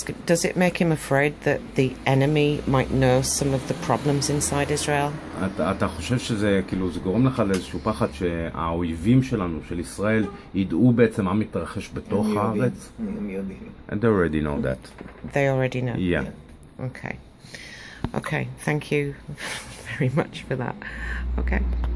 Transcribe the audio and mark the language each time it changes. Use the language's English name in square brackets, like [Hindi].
[English] Does it make him afraid that the enemy might know some of the problems inside Israel? [Hebrew] אתה חושב שזה, כאילו, זה גורם לך לאיזשהו פחד שהאויבים שלנו, של ישראל, ידעו בעצם מה מתרחש בתוך הארץ? הם יודעים. [English] And they already know that. They already know? Yeah. Okay. Okay, thank you very much for that. Okay.